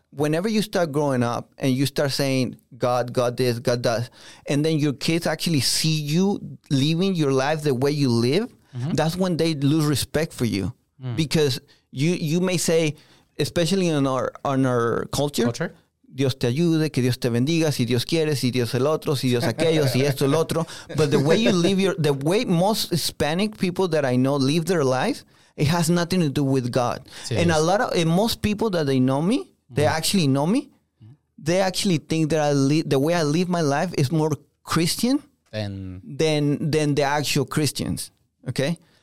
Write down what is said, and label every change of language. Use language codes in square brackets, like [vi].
[en] whenever you start growing up and you start saying God this, God that, and then your kids actually see you living your life the way you live, that's when they lose respect for you, because you may say, especially in our culture. [es] Dios te ayude, que Dios te bendiga, si Dios quiere, si Dios el otro, si Dios aquello, si esto el otro. [en] But the way you live the way most Hispanic people that I know live their lives, it has nothing to do with God. Sí, and most people that they know me, they actually know me, they actually think that the way I live my life is more Christian than the actual Christians, okay?